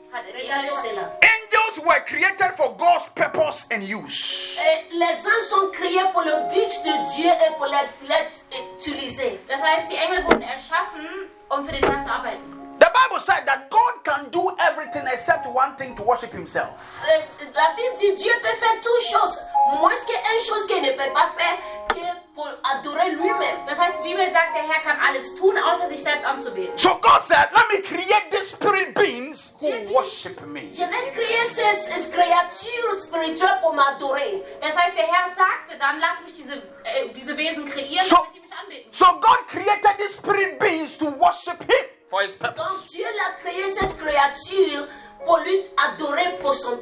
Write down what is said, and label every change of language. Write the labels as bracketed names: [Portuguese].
[English] Angels were created for God's purpose and use. [French] Les anges sont créés pour le but de Dieu et pour l'utiliser. [German] Das heißt, die Engel wurden erschaffen, um für den Herrn zu arbeiten. [English] The Bible said that God can do everything except one thing, to worship himself. [French] La Bible dit Dieu peut faire toutes choses, moins que une chose qu'il ne peut pas faire, pour adorer lui-même. [German] Das heißt, die Bibel sagt, der Herr kann alles tun, außer sich selbst anzubeten. [English] So God said, let me create these spirit beings who worship me. [French] Je vais créer ces créatures spirituelles pour m'adorer. [German] Das heißt, der Herr sagte, dann lass mich diese Wesen kreieren, [English] so, [German] damit sie mich anbeten. [English] So God created these spirit beings to worship him. [French] Donc Dieu l'a créé cette créature pour lui adorer pour son